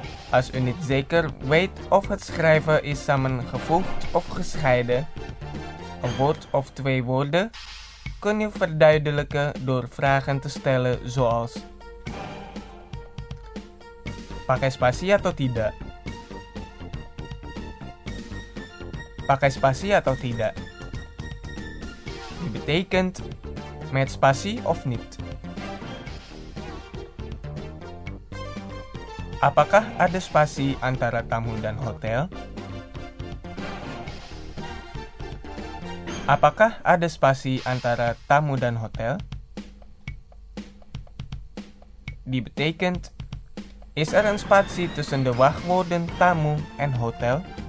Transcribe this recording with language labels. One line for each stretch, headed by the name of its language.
Dutch: Als u niet zeker weet of het schrijven is samengevoegd of gescheiden, een woord of twee woorden, kun je verduidelijken door vragen te stellen zoals:
Indonesian: pakai spasi atau tidak? Pakai spasi atau tidak?
Dutch: Dit betekent met spasi of niet.
Indonesian: Apakah ada spasi antara tamu dan hotel? Apakah ada spasi antara tamu dan hotel?
Dutch: Dit betekent, is er een spasi tussen de wachtwoorden tamu en hotel?